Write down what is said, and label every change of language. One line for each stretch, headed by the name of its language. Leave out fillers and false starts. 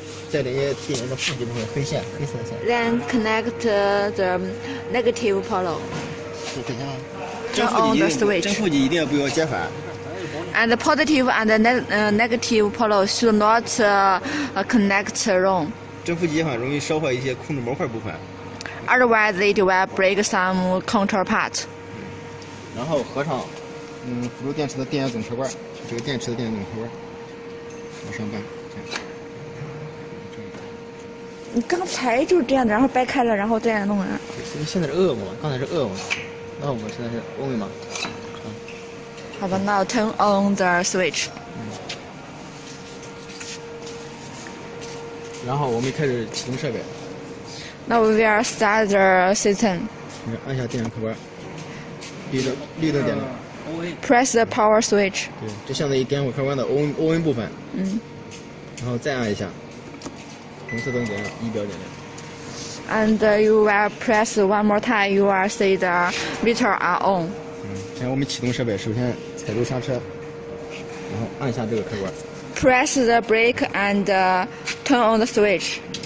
Chinese: 再连接电源的负极部分，黑线，黑色的线。
English: Then connect the negative polo.
Chinese: 等一下，正负极，正负极一定要不要接反。
English: And the positive and the negative polo should not connect wrong.
Chinese: 正负极接反容易烧坏一些控制模块部分。
English: Otherwise, it will break some control part.
Chinese: 然后合上。辅助电池的电源总开关，这个电池的电源总开关，往上掰，这样。你刚才就是这样的，然后掰开了，然后再弄啊。现在是恶魔，刚才是恶魔，那我们现在是欧美吗？好吧
English: ，Now turn on the switch。
Chinese: 然后我们开始启动设备。
English: Now we are start the system。
Chinese: 按下电源开关，绿灯点亮。
English: Press the power switch.
Chinese: 对，就像那一点火开关的 O N 部分。然后再按一下，红色灯点亮，仪表点亮。
English: And you will press one more time. You will see the meter are on.
Chinese: 现在我们启动设备，首先踩住刹车，然后按下这个开关。
English: Press the brake and turn on the switch.